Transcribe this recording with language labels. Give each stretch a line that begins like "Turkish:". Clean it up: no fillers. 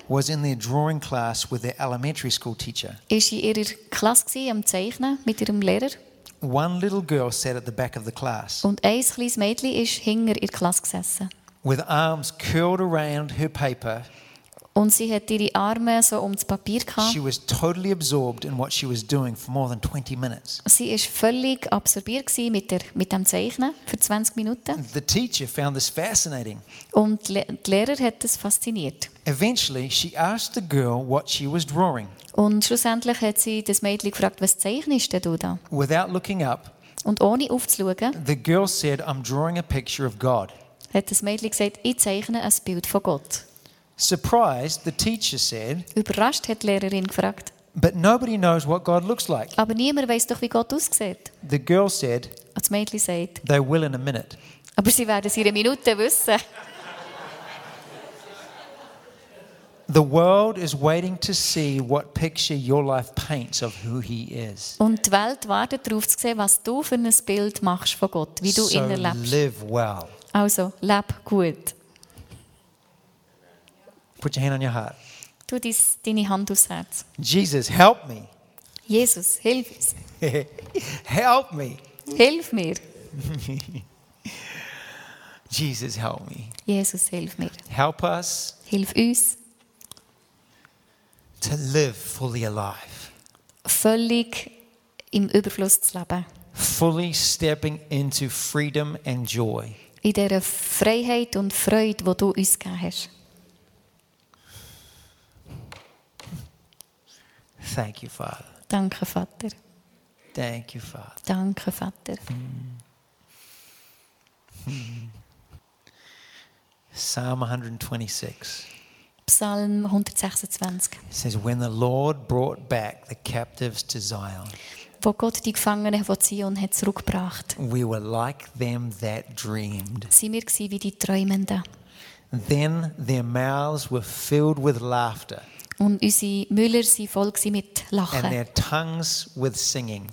English: was in their drawing class with their elementary school teacher.
German: Ist in ihrer Klasse gewesen, am Zeichnen mit ihrem Lehrer.
English: One little girl sat at the back of the class.
German: Und ein kleines Mädchen ist hinter ihrer Klasse gesessen.
English: With arms curled around her paper,
German: und sie hat ihre Arme so ums Papier gehabt.
English: She was totally absorbed in what she was doing for more than 20 minutes.
German: Sie ist völlig absorbiert gsi mit dem Zeichnen für 20 Minuten.
English: The teacher found this fascinating.
German: Und der Lehrer hat es fasziniert.
English: Eventually she asked the girl what she was drawing.
German: Und schlussendlich hat sie das Mädchen gefragt, was zeichnest du da?
English: Without looking up,
German: und ohne aufzuschauen,
English: the girl said, I'm drawing a picture of God.
German: Hat das Mädchen gesagt, ich zeichne ein Bild von Gott.
English: Surprised, the teacher said,
German: überrascht hat die Lehrerin gefragt,
English: but nobody knows what God looks like.
German: Aber niemand weiß doch, wie Gott aussieht.
English: The girl said,
German: das Mädchen sagt,
English: they will in a minute.
German: Aber sie werden es in einer Minute wissen.
English: The world is waiting to see what picture your life paints of who he is.
German: Und die Welt wartet darauf zu sehen, was du für ein Bild machst von Gott, wie du ihn erlebst.
English: So live well.
German: Also, leb gut.
English: Put your hand on your heart.
German: Tu deine Hand aufs Herz.
English: Jesus, help me.
German: Jesus, hilf mir.
English: Help me.
German: Hilf mir.
English: Jesus, help me.
German: Jesus, hilf mir.
English: Help us.
German: Hilf uns.
English: To live fully alive.
German: Völlig im Überfluss zu leben.
English: Fully stepping into freedom and joy.
German: In dieser Freiheit und Freude, die du uns gegeben hast.
English: Thank you, Father.
German: Danke, Vater.
English: Thank you, Father.
German: Danke, Vater.
English: Psalm 126.
German: Psalm 126.
English: It says, when the Lord brought back the captives to Zion.
German: Wo Gott die Gefangenen von Zion hat zurückgebracht.
English: We were like them that dreamed.
German: Sind wir gsi wie die Träumenden.
English: Then their mouths were filled with laughter.
German: Und unsere Müller waren voll mit Lachen.
English: And their tongues with singing.